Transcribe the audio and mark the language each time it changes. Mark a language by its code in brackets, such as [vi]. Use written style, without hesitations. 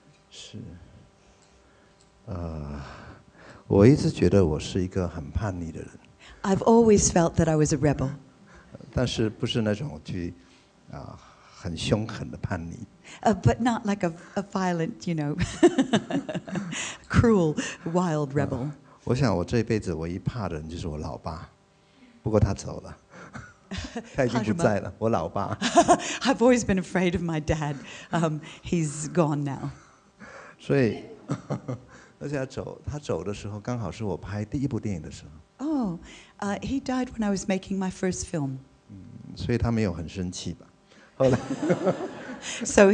[zh] 是，我一直觉得我是一个很叛逆的人。 [en] I've always felt that I was a rebel. [zh] 但是不是那种去很凶狠的叛逆。 [en] But not like a violent, you know, cruel, wild rebel. [zh] 我想我这辈子唯一怕的人就是我老爸，不过他走了。 [en] I've always been afraid of my dad. He's gone now. [zh] So, 而且他走的时候刚好是我拍第一部电影的时候。 [en] He died when I was making my first film. [zh] 所以他没有很生气吧？后来。So